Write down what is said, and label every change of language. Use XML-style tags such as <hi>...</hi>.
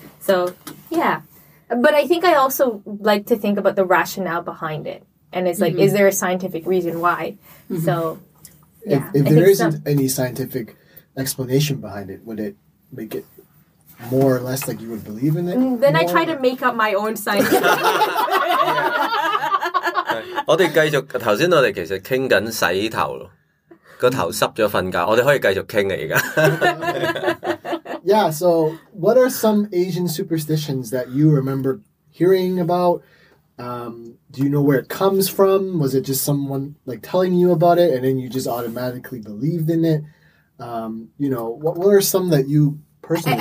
<en>So, yeah. But I think I also like to think about the rationale behind it. And it's like, mm-hmm. is there a scientific reason why? Mm-hmm. So, yeah. If there isn't any scientific explanation behind it, would it make it more or less like you would believe in it? Then more? I try to make up my own scientific</en> <yue>我哋继续头先，我哋其实倾紧洗头咯，个头湿咗瞓觉。我哋可以继续倾嘅而家。</yue> <en>Yeah, so what are some Asian superstitions that you remember hearing about? Do you know where it comes from? Was it just someone like telling you about it, and then you just automatically believed in it? You know, what are some that you personally?</en>